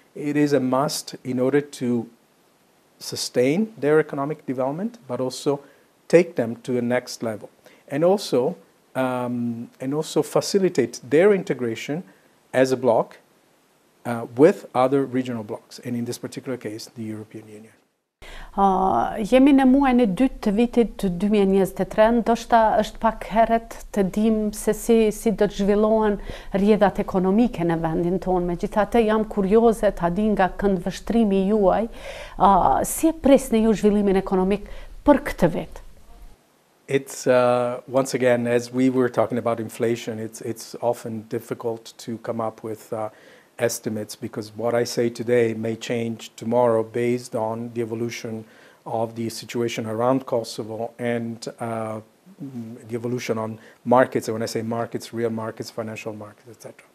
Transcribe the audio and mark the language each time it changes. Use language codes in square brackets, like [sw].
[en] It is a must in order to sustain their economic development, but also take them to the next level. And also, facilitate their integration as a bloc with other regional blocs, and in this particular case, the European Union. [sq] Jemi në muajin e dytë të vitit të 2023, ndoshta është pak herët të dim se si do të zhvillohen rrjedhat ekonomike në vendin tonë. Megjithatë, jam kurioze ta di nga kënd vështrimi juaj, si e presni ju zhvillimin ekonomik për këtë vit? [en] It's once again, as we were talking about inflation, it's often difficult to come up with estimates, because what I say today may change tomorrow based on the evolution of the situation around Kosovo and the evolution on markets. And when I say markets, real markets, financial markets, etc.